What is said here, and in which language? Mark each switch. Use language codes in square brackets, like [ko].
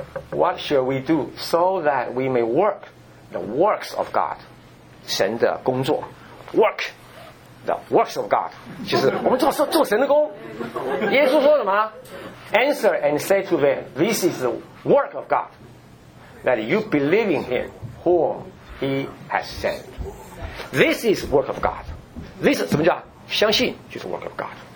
[en] What shall we do so that we may work the works of God? [zh] 神的工作 ， [en] work the works of God， [zh] 就是我们做神的工。耶稣说什么 [en] ？Answer and say to them, this is the work of God, that you believe in Him whom He has sent. This is work of God. This [zh] 怎么讲？相信就是 [en] work of God。